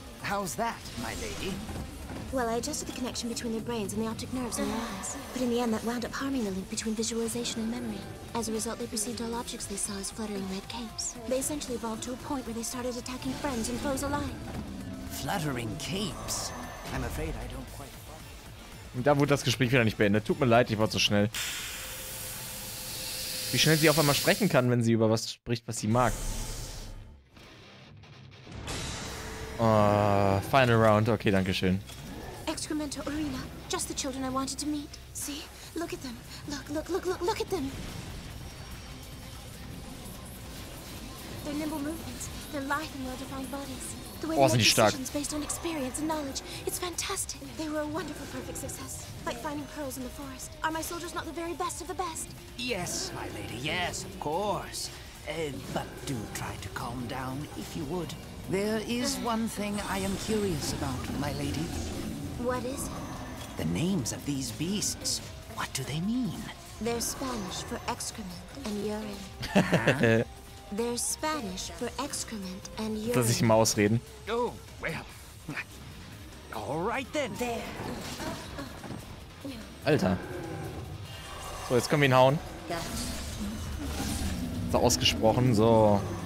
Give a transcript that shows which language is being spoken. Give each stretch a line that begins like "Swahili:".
English: How's that, my lady? Well, I adjusted the connection between their brains and the optic nerves in their eyes. But in the end, that wound up harming the link between visualization and memory. As a result, they perceived all objects they saw as fluttering red capes. They essentially evolved to a point where they started attacking friends and foes alike. Fluttering capes? I'm afraid I don't quite...
German: Und da wurde das Gespräch wieder nicht beendet. Tut mir leid, ich war zu schnell. Wie schnell sie auf einmal sprechen kann, wenn sie über was spricht, was sie mag.
English: Final round. Okay,
German: danke schön.
English: Excremento Arena. Just the children I wanted to meet. See? Look at them. Look, look, look, look, look at them. Their nimble movements. Their life and well-defined bodies. The way they make decisions based on experience and knowledge. It's fantastic. They were a wonderful, perfect success. Like finding pearls in the forest. Are my soldiers not the very best of the best? Yes, my lady. Yes, of course. But do try to calm down, if you would. There is one thing I am curious about, my lady. What is it? The names of these beasts. What do they mean? They're Spanish for excrement and urine. They're Spanish for excrement and urine.
German: Dass ich immer ausreden.
English: Oh, well. All right then. There.
German: Alter. So, jetzt können wir ihn hauen. So ausgesprochen, so.